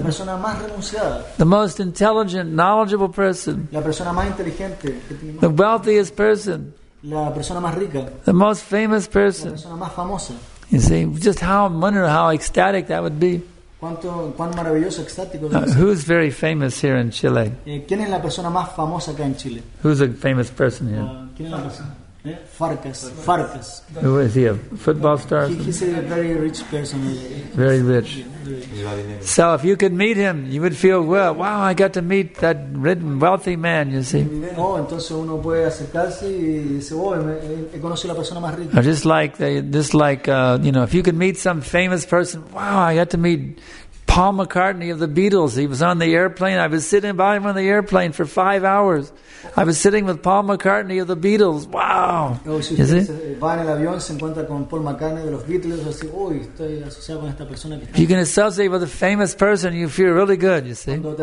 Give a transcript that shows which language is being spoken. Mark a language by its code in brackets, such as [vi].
[es] La persona más renunciada. [en] The most intelligent, knowledgeable person. [es] La persona más inteligente. [en] The wealthiest person. [es] La persona más rica. [en] The most famous person. [es] La persona más famosa. [en] You see, just how, wonder how ecstatic that would be. [es] ¿Cuán maravilloso, ecstático? [en] Who's very famous here in Chile? [es] ¿Quién es la persona más famosa acá en Chile? [en] Who's a famous person here? [es] ¿Quién es la persona? ¿Eh? Farkas. [en] Who is he, a football star? He's a very rich person. Very rich. So if you could meet him, you would feel, well, wow, I got to meet that rich, wealthy man, you see. [es] Oh, entonces uno puede acercarse y dice, oh, he conocido la persona más rica. [en] Or just like, if you could meet some famous person, wow, I got to meet Paul McCartney of the Beatles. He was on the airplane. I was sitting by him on the airplane for 5 hours. I was sitting with Paul McCartney of the Beatles. Wow. You see? If you can associate with a famous person, you feel really good, you see?